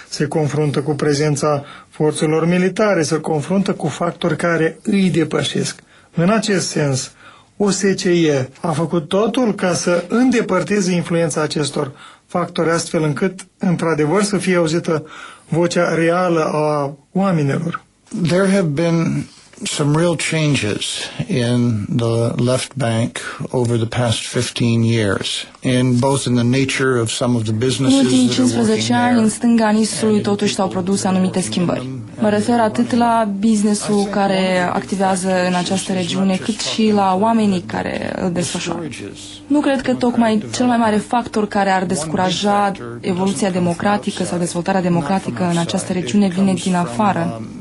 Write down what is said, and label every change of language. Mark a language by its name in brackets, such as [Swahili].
[Romanian] Se confruntă cu prezența forțelor militare, se confruntă cu factori care îi depășesc. În acest sens, OSCE a făcut totul ca să îndepărteze influența acestor factori, astfel încât, într-adevăr, să fie auzită vocea reală a oamenilor. [English] There have been some real changes in the left bank over the past 15 years, in both in the nature of some of the businesses that are working there. [Romanian] În ultimii 15 ani, în stânga Nistrului, totuși s-au produs anumite schimbări. Mă refer atât la businessul care activează în această regiune, cât și la oamenii care îl desfășoară. Nu cred că tocmai cel mai mare factor care ar descuraja evoluția democratică sau dezvoltarea democratică în această regiune vine din afară.